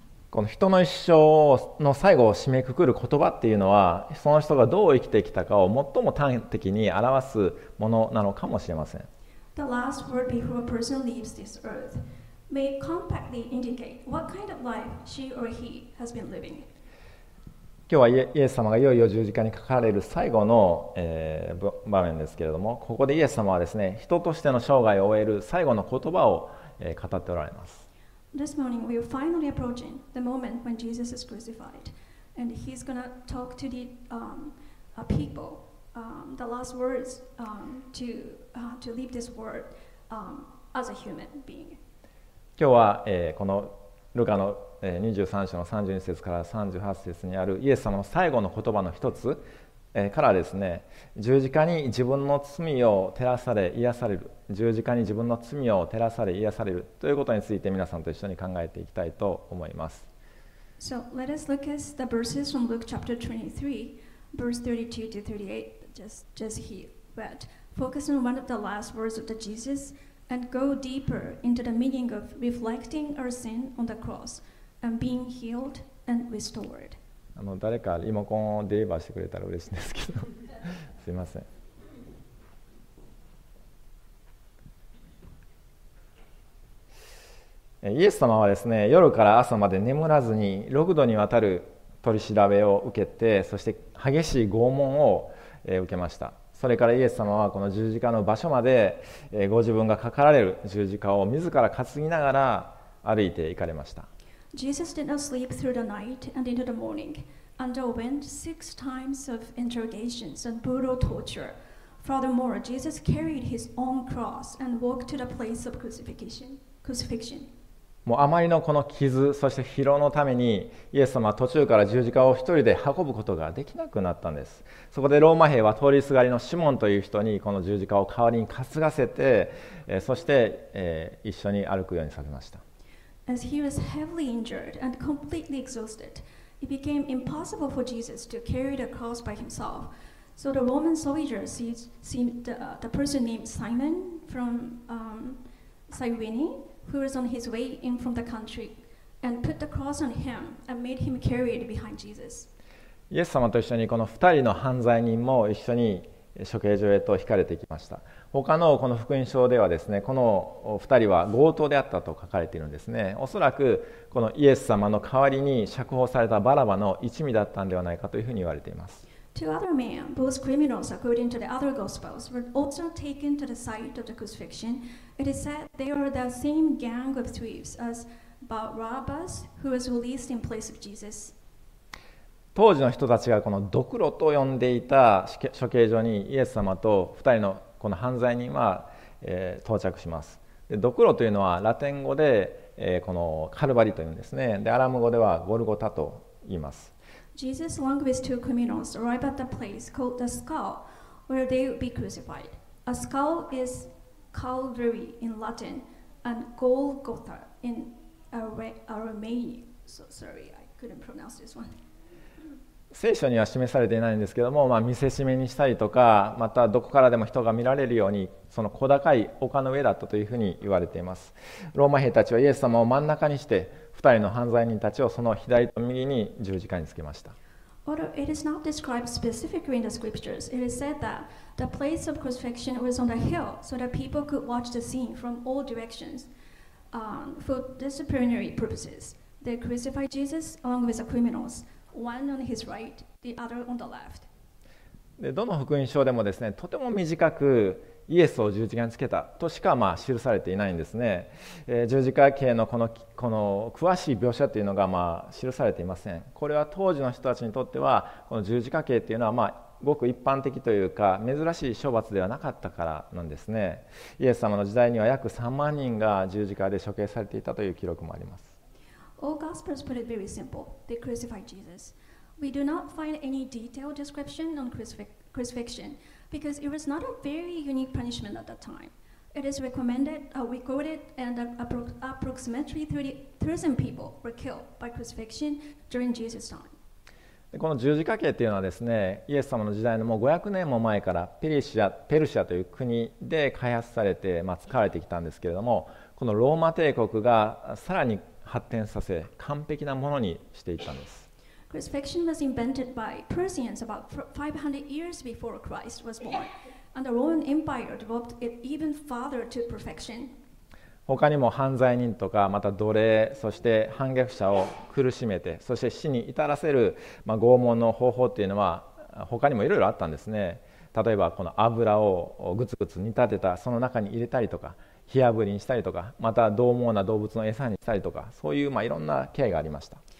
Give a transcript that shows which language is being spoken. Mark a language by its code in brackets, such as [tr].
[ja] この人の一生の最後を締めくくる言葉っていうのは、その人がどう生きてきたかを最も端的に表すものなのかもしれません。 [en] The last word before a person leaves this earth may compactly indicate what kind of life she or he has been living. [ja] 今日はイエス様がいよいよ十字架にかかれる最後の、場面ですけれども、ここでイエス様はですね、人としての生涯を終える最後の言葉を、語っておられます。 [en] This morning we are finally approaching the moment when Jesus is crucified, and he's gonna talk to the people the last words to leave this world as a human being. [ja] 今日は、このルカの、23章の32節から38節にあるイエス様の最後の言葉の一つ、からですね、十字架に自分の罪を照らされ癒される、十字架に自分の罪を照らされ癒されるということについて皆さんと一緒に考えていきたいと思います。 [en] So let us look at the verses from Luke chapter 23 verse 32 to 38 just he read. Focus on one of the last words of the Jesus and go deeper into the meaning of reflecting our sin on the cross and being healed and restored. [ja] 誰かリモコンをデリバーしてくれたら嬉しいんですけどすいません。イエス様はですね、夜から朝まで眠らずに6度にわたる取り調べを受けて、そして激しい拷問を受けました。それからイエス様はこの十字架の場所までご自分がかかられる十字架を自ら担ぎながら歩いて行かれました。 [en] Jesus did not sleep through the night and into the morning, underwent six times of interrogations and brutal torture. Furthermore, Jesus carried his own cross and walked to the place of crucifixion. [ja] もうあまりのこの傷、そして疲労のためにイエス様は途中から十字架を一人で運ぶことができなくなったんです。そこでローマ兵は通りすがりのシモンという人にこの十字架を代わりに担がせて、そして、一緒に歩くようにさせました。 [en] As he was heavily injured and completely exhausted, it became impossible for Jesus to carry the cross by himself. So the Roman soldier seized the person named Simon from Cyrene, who was on his way in from the country, and put the cross on him and made him carry it behind Jesus. [ja] イエス様と一緒にこの二人の犯罪人も一緒に処刑場へと引かれていきました。他のこの福音書ではですね、この2人は強盗であったと書かれているんですね。おそらくこのイエス様の代わりに釈放されたバラバの一味だったのではないかというふうに言われています。 [en] Two other men, both criminals according to the other gospels, were also taken to the site of the crucifixion. It is said they were the same gang of thieves as Barabbas, who was released in place of Jesus. [ja] 当時の人たちがこのドクロと呼んでいた処刑場にイエス様と2人のこの犯罪人は、到着します。でドクロというのはラテン語で、このカルバリというんですね。でアラム語ではゴルゴタと言います。 [en] Jesus along with two criminals arrive at the place called the skull where they would be crucified. A skull is Calvary in Latin and Golgotha in Aramaic. So sorry, I couldn't pronounce this one. [ja] 聖書には示されていないんですけども、まあ、見せしめにしたりとか、またどこからでも人が見られるようにその小高い丘の上だったというふうに言われています。ローマ兵たちはイエス様を真ん中にして2人の犯罪人たちをその左と右に十字架につけました。 [en] Although it is not described specifically in the scriptures, it is said that the place of crucifixion was on the hill so that people could watch the scene from all directions. For disciplinary purposes, they crucified Jesus along with the criminals. One on his right, the other on the left. [ja] でどの福音書でもですね、とても短くイエスを十字架につけたとしか、まあ、記されていないんですね。十字架刑のこの詳しい描写というのが、まあ、記されていません。これは当時の人たちにとってはこの十字架刑というのは、まあ、ごく一般的というか珍しい処罰ではなかったからなんですね。イエス様の時代には約3万人が十字架で処刑されていたという記録もあります。 [en] All Gospels put it very simple. They crucified Jesus. We do not find any detailed description on crucifixion because it was not a very unique punishment at that time. It is recommended, recorded, and approximately 30,000 people were killed by crucifixion during Jesus' time. [ja] この十字架刑というのはですね、イエス様の時代のもう500年も前からペルシアという国で開発されて、まあ、使われてきたんですけれども、このローマ帝国がさらに発展させ、完璧なものにしていったんです。 [en] Crucifixion was invented by Persians about 500 years before Christ was born, and the Roman Empire developed it even further to perfection. [ja] 他にも犯罪人とかまた奴隷そして反逆者を苦しめてそして死に至らせる、まあ、拷問の方法というのは他にもいろいろあったんですね。例えばこの油をグツグツ煮立てたその中に入れたりとか火炙りにしたりとかまた獰猛な動物の餌にしたりとかそういう、まあ、いろんな刑がありました。